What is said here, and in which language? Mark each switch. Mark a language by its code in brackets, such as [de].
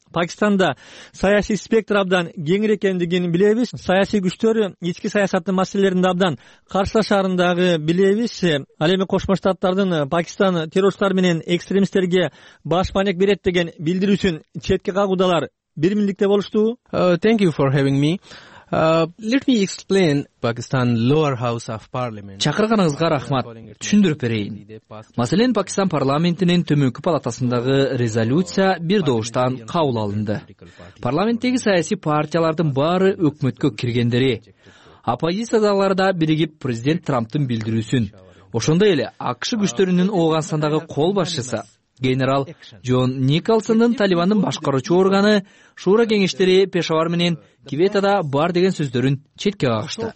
[ky] Пакистанда саясий спектр абдан кеңири экендигин билебиз. Саясий күчтөр ички саясаттын маселелеринде абдан каршылашаарындагы билебиз. Ал эми Кошмо Штаттардын Пакистан террористтер менен экстремисттерге башпанек берет деген билдирүүсүн четке кагуудалар бир миндикте болушту. [en] Thank you for having me. Let me explain Pakistan lower house of parliament. [ky] Чакырганыңызга рахмат. Түшүндүрүп берейин. Маселен, Пакистан парламентинин төмөнкү палатасындагы резолюция бир добуштан кабыл алынды. Парламенттеги саясий партиялардын баары өкмөткө киргендери. Оппозициядагылар да биригип президент Трамптын билдирүүсүн. Ошондой эле АКШ күчтөрүнүн Оогандагы кол башчысы генерал Джон Николсондун Талибандын башкаруучу органы Шура кеңештери Пешавар менен Кветада бар деген сөздөрүн четке кагышты.